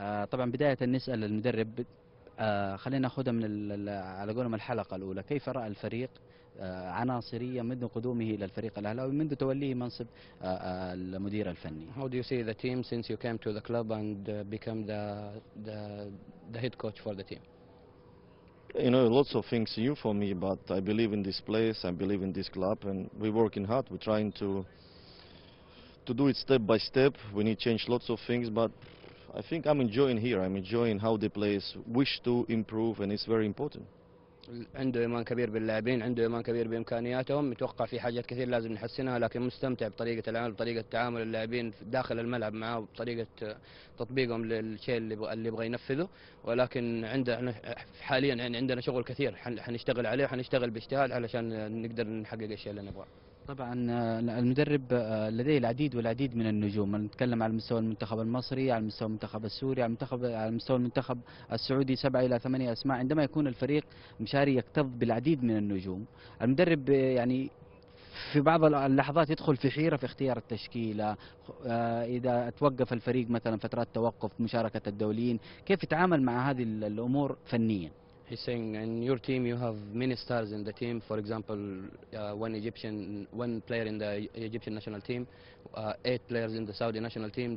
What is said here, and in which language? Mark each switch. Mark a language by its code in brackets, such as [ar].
[ar] طبعا بداية نسأل المدرب، خلينا ناخذها من على قولهم الحلقة الأولى، كيف رأى الفريق عناصرية منذ قدومه إلى الفريق الأهلي ومنذ توليه منصب المدير الفني؟ [en] How do you see the team since you came to the club and become the head coach for the team? You know, lots of things new for me, but I believe in this place, I believe in this club, and we're working hard, we're trying to do it step by step. We need to change lots of things, but I think I'm enjoying here. I'm enjoying how the players wish to improve, and it's very important. [ar] عنده إيمان كبير باللاعبين، عنده إيمان كبير بإمكانياتهم، متوقع في حاجات كثير لازم نحسنها، لكن مستمتع بطريقة العمل، بطريقة تعامل اللاعبين داخل الملعب معه، بطريقة تطبيقهم للشيء اللي يبغى ينفذه. ولكن عنده حاليا عندنا شغل كثير حنشتغل عليه، وحنشتغل باجتهاد علشان نقدر نحقق الشيء اللي نبغاه. طبعا المدرب لديه العديد والعديد من النجوم، نتكلم على مستوى المنتخب المصري، على مستوى المنتخب السوري، على مستوى المنتخب السعودي، 7 إلى 8 أسماء. عندما يكون الفريق مشاري يكتظ بالعديد من النجوم، المدرب يعني في بعض اللحظات يدخل في حيرة في اختيار التشكيلة، إذا توقف الفريق مثلا فترات توقف مشاركة الدوليين، كيف يتعامل مع هذه الأمور فنيا؟ [en] He's saying, in your team, you have many stars in the team. For example, one player in the Egyptian national team, 8 players in the Saudi national team.